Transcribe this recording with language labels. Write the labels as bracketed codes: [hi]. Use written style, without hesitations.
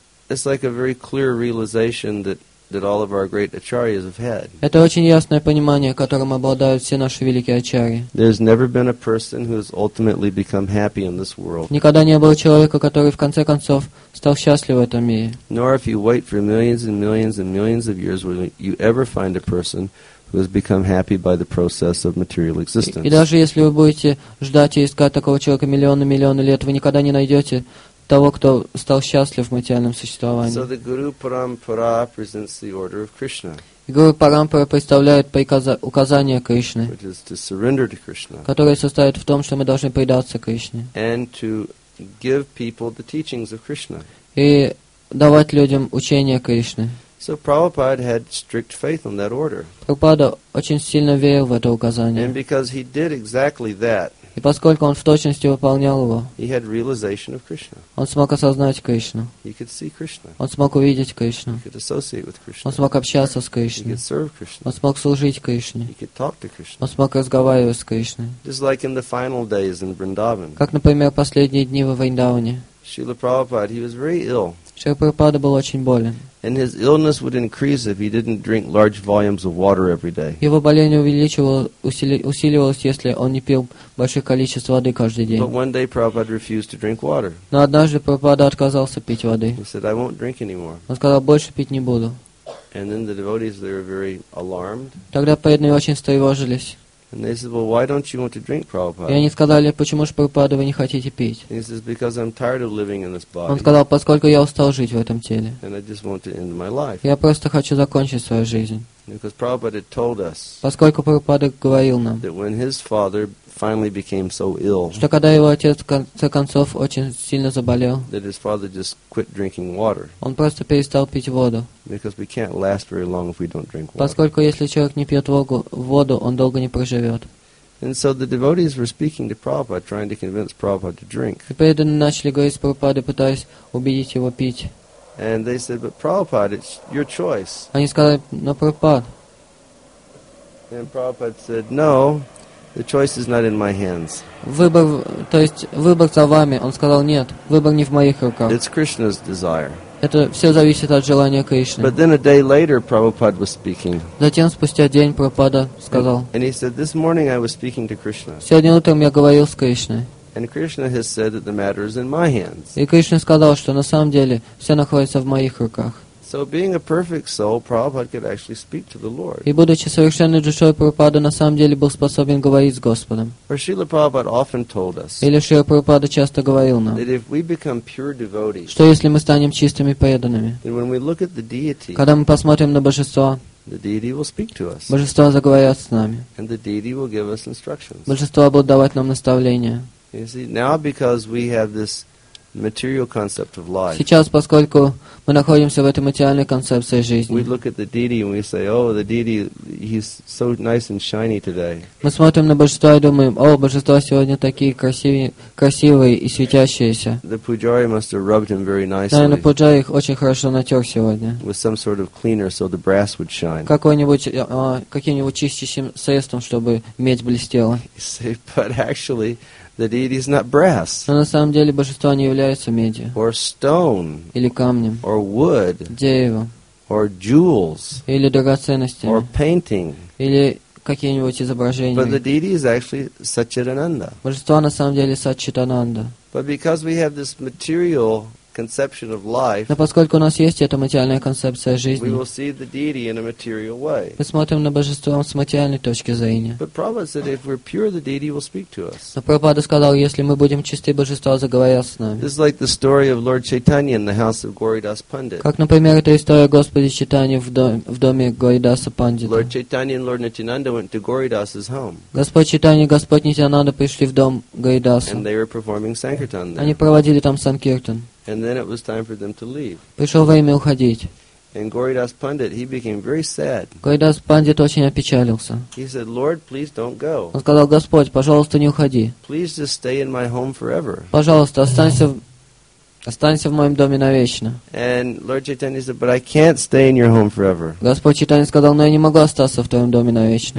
[en] It's like a very clear realization that all of our great acharyas have had. [ru] Это очень ясное понимание, которым обладают все наши великие ачарьи. [en] There's never been a person who has ultimately become happy in this world. [ru] Никогда не было человека, который в конце концов стал счастлив в этом мире. [en] Nor if you wait for millions and millions and millions of years, will you ever find a person who has become happy by the process of material existence. [ru] И даже если вы будете ждать и искать такого человека миллионы и миллионы лет, вы никогда не найдете того, кто стал счастлив в материальном существовании. [en] So the Guru Parampara presents the order of Krishna. [ru] Гуру Парампара представляет указание Кришны, [en] which is to surrender to Krishna, [ru] которое состоит в том, что мы должны предаться Кришне, [en] and to give people the teachings of Krishna. [ru] И давать людям учение Кришны. [en] So Prabhupada had strict faith on that order. [ru] Прабхупада очень сильно верил в это указание. [en] And because he did exactly that, [ru] и поскольку он в точности выполнял его, [en] he had realization of Krishna. [ru] Он смог осознать Кришну. [en] He could see Krishna. [ru] Он смог увидеть Кришну. [en] He could associate with Krishna. [ru] Он смог общаться с Кришной. [en] He could serve Krishna. [ru] Он смог служить Кришне. [en] He could talk to Krishna. [ru] Он смог разговаривать с Кришной. [en] Just like in the final days in Vrindavan. [ru] Как, например, последние дни во Вриндаване. [en] Srila Prabhupada, he was very ill. [ru] Шрила Прабхупада был очень болен. [en] And his illness would increase if he didn't drink large volumes of water every day. [ru] Его болезнь усиливалась, если он не пил большое количество воды каждый день. [en] But one day Prabhupada refused to drink water. [ru] Но однажды Прабхупада отказался пить воды. [en] He said, "I won't drink anymore." [ru] Он сказал, больше пить не буду. [en] And then the devotees, they were very alarmed. [ru] Тогда преданные очень встревожились. [en] And they said, "Well, why don't you want to drink, Prabhupada?" [ru] И они сказали, почему же Прабхупада вы не хотите пить? [en] He says, "Because I'm tired of living in this body." [ru] Он сказал, поскольку я устал жить в этом теле. [en] And I just want to end my life. [ru] Я просто хочу закончить свою жизнь. [en] Because Prabhupada had told us. [ru] Поскольку Прабхупада говорил нам. [en] That when his father finally became so ill. [ru] Что когда его отец в конце концов очень сильно заболел. [en] That his father just quit drinking water. [ru] Он просто перестал пить воду. [en] Because we can't last very long if we don't drink water. [ru] Поскольку если человек не пьет воду, он долго не проживет. [en] And so the devotees were speaking to Prabhupada, trying to convince Prabhupada to drink. [ru] И преданные начали говорить с Прабхупадой, пытаясь убедить его пить. [en] And they said, "But Prabhupada, it's your choice." [ru] Они сказали, но Прабхупад. [en] And Prabhupada said, "No." The choice is not in my hands. [ru] Выбор, то есть выбор за вами. Он сказал, нет, выбор не в моих руках. [en] It's Krishna's desire. [ru] Это все зависит от желания Кришны. [en] But then a day later, Prabhupada was speaking. [ru] Затем спустя день Прабхупада сказал. [en] And he said, this morning I was speaking to Krishna. [ru] Сегодня утром я говорил с Кришной. [en] And Krishna has said that the matter is in my hands. [ru] И Кришна сказал, что на самом деле все находится в моих руках. [en] So being a perfect soul, Prabhupada could actually speak to the Lord. [ru] И будучи совершенной душой, Прабхупада на самом деле был способен говорить с Господом. [en] Or Srila Prabhupada often told us. [ru] Или Шрила Прабхупада часто говорил нам. [en] That if we become pure devotees. [ru] Что если мы станем чистыми преданными? [en] Then when we look at the deity. [ru] Когда мы посмотрим на Божество. [en] The deity will speak to us. [ru] Божество заговорит с нами. [en] And the deity will give us instructions. [ru] Божество будет давать нам наставления. [en] You see, now because we have this material concept of life. [ru] Сейчас, поскольку мы находимся в этой материальной концепции жизни. [en] We look at the deity and we say, "Oh, the deity, he's so nice and shiny today." [ru] Мы смотрим на божество и думаем, "О, божество сегодня такие красивые и светящиеся." [en] The pujari must have rubbed him very nicely. [ru] Наверное, пуджари их очень хорошо натер сегодня. [en] With some sort of cleaner, so the brass would shine. [ru] Каким-нибудь чистящим средством, чтобы медь блестела. [en] But actually. The deity is not brass. [ru] Но на самом деле божество не является медью. [en] Or stone. [ru] Или камнем. [en] Or wood. [ru] Дерево. [en] Or jewels. [ru] Или драгоценностями. [en] Or painting. [ru] Или какие-нибудь изображения. [en] But the deity is actually Satchitananda. [ru] Божество на самом деле Сатчитананда. [en] But because we have this material conception of life. [ru] Но поскольку у нас есть эта материальная концепция жизни. [en] We will see the deity in a material way. [ru] Мы смотрим на божество с материальной точки зрения. [en] But Prabhupada said, if we're pure, the deity will speak to us. [ru] Но Прабхупада сказал, если мы будем чисты, божество заговорят с нами. [en] This is like the story of Lord Chaitanya in the house of Gauridas Pandit. [ru] Как, например, это история Господи Чайтаньи в доме Гауридаса Пандита. [en] Lord Chaitanya and Lord Nityananda went to Gauridas's home. [ru] Господь Чайтанья и Господь Нитянанда пришли в дом Гауридаса. [en] And they were performing sankirtan there. [ru] Они проводили там санкиртан. [en] And then it was time for them to leave. [ru] Пришло время уходить. [en] And Gauridas Pandit, he became very sad. [ru] Gauridas Pandit очень опечалился. [en] He said, "Lord, please don't go." [ru] Он сказал, Господь, пожалуйста, не уходи. [en] Please just stay in my home forever. [ru] Пожалуйста, останься в моем доме навечно. [en] And Lord Chaitanya said, "But I can't stay in your home forever." [ru] Господь Чайтанья сказал, но я не могу остаться в твоем доме навечно.